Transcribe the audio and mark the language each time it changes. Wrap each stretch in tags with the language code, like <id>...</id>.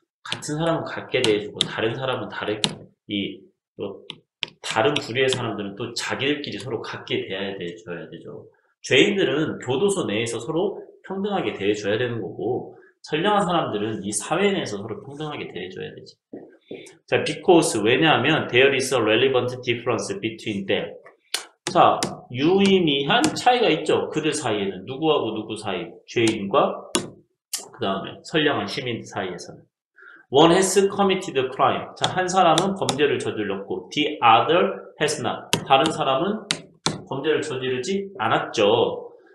<ko>같은 사람은 같게 대해주고 다른 사람은 다르게 이또 다른 부류의 사람들은 또 자기들끼리 서로 같게 대해줘야 되죠. 죄인들은 교도소 내에서 서로 평등하게 대해줘야 되는 거고 선량한 사람들은 이 사회 내에서 서로 평등하게 대해줘야 되지.</ko> <en>자, because</en> <ko>왜냐하면</ko> <en>there is a relevant difference between them.</en> <ko>자, 유의미한 차이가 있죠. 그들 사이에는 누구하고 누구 사이, 죄인과 그 다음에 선량한 시민 사이에서는.</ko> <en>One has committed a crime. 자,</en> <ko>한 사람은 범죄를 저질렀고,</ko> <en>the other has not.</en> <ko>다른 사람은 범죄를 저지르지 않았죠.</ko>